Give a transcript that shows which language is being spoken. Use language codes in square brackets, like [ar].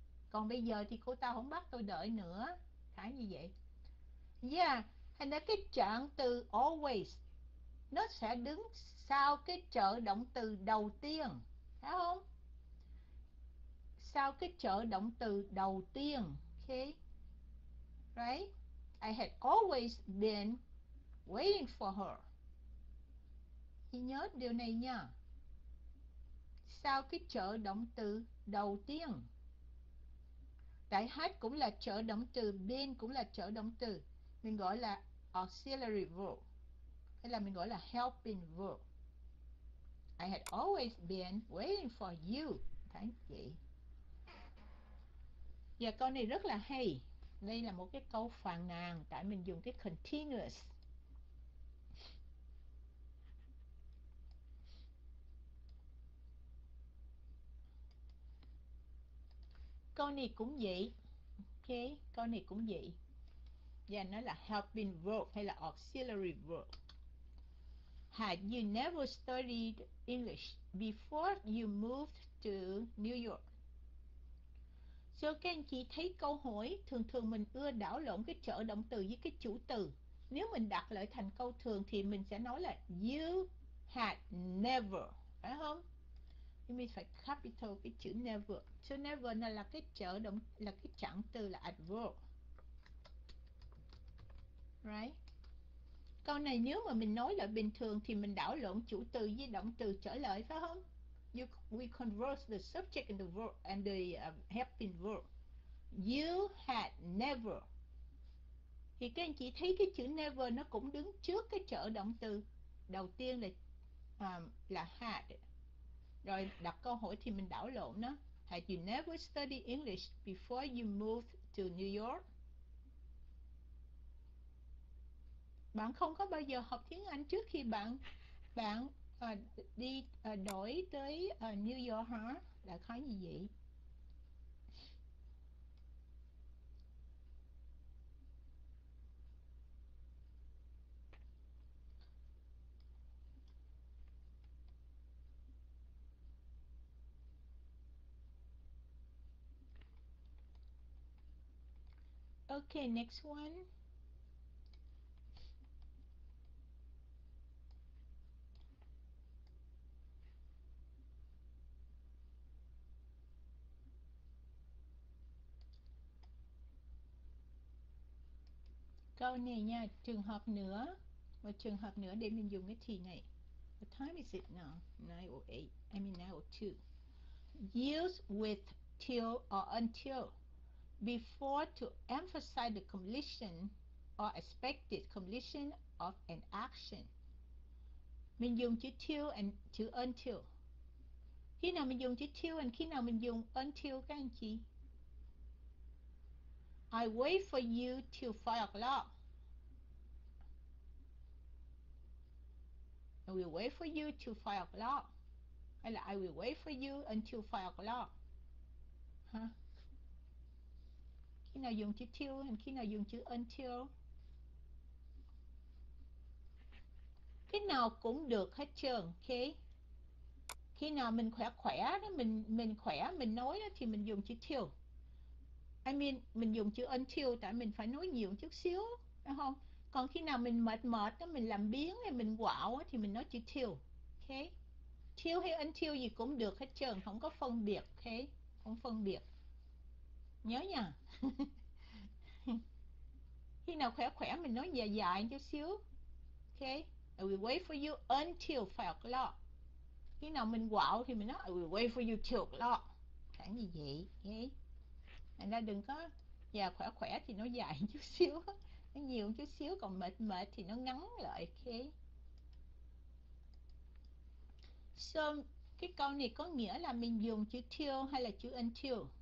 [vi] Còn bây giờ thì cô ta không bắt tôi đợi nữa. Khá như vậy. Yeah, thành ra cái trạng từ always nó sẽ đứng sau cái trợ động từ đầu tiên, phải không? Sau cái trợ động từ đầu tiên, okay. [en] Right? I had always been waiting for her. [vi] Thì nhớ điều này nha. Sau cái trợ động từ đầu tiên. Tại had cũng là trợ động từ, been cũng là trợ động từ. Mình gọi là auxiliary verb. Hay là mình gọi là helping verb. [en] I had always been waiting for you. Thank you. [vi] Và câu này rất là hay. Đây là một cái câu phàn nàn tại mình dùng cái continuous. Câu này cũng vậy. Ok, câu này cũng vậy. Và nó là helping verb hay là auxiliary verb. [en] Had you never studied English before you moved to New York? [vi] So các anh chị thấy câu hỏi thường thường mình ưa đảo lộn cái trợ động từ với cái chủ từ. Nếu mình đặt lại thành câu thường thì mình sẽ nói là [en] you had never, [vi] phải không? Nhưng mình phải capital cái chữ never. So never là cái trợ động, là cái trạng từ, là adverb. Right? Câu này nếu mà mình nói lại bình thường thì mình đảo lộn chủ từ với động từ trở lại, phải không? [en] We converse the subject and the verb and the helping verb. You had never. [vi] Thì các anh chị thấy cái chữ never nó cũng đứng trước cái trợ động từ đầu tiên là had. Rồi đặt câu hỏi thì mình đảo lộn nó. [en] Had you never studied English before you moved to New York? [vi] Bạn không có bao giờ học tiếng Anh trước khi bạn bạn đi đổi tới New York hả? Đã khó như vậy. [en] Okay, next one. [vi] Câu này nha, trường hợp nữa, một trường hợp nữa để mình dùng cái thì này. [en] What time is it now? 9:08. I mean 9:02. Use with till or until before to emphasize the completion or expected completion of an action. [vi] Mình dùng chữ till and chữ until. Khi nào mình dùng chữ till and khi nào mình dùng until các anh chị? [en] I wait for you till 5 o'clock. I will wait for you till 5 o'clock. Hay là I will wait for you until 5 o'clock. Huh? [vi] Khi nào dùng chữ till and khi nào dùng chữ until? Cái nào cũng được hết trơn, okay? Khi nào mình khỏe khỏe đó, mình khỏe mình nói đó, thì mình dùng chữ till. [en] I mean, [vi] mình dùng chữ until tại mình phải nói nhiều chút xíu, đúng không? Còn khi nào mình mệt mệt đó, mình làm biếng hay mình quạo đó, thì mình nói chữ till. Okay? Till hay until gì cũng được hết trơn, không có phân biệt. Okay? Không phân biệt. Nhớ nha. Khi nào khỏe khỏe mình nói dài dài chút xíu. [en] Okay? I will wait for you until 5 o'clock. [vi] Khi nào mình quạo thì mình nói [en] I will wait for you till o'clock. [vi] Khoảng gì vậy? Okay? Thành ra đừng có già khỏe khỏe thì nó dài chút xíu, nó nhiều chút xíu, còn mệt mệt thì nó ngắn lại. Okay. So, cái câu này có nghĩa là mình dùng chữ till hay là chữ until?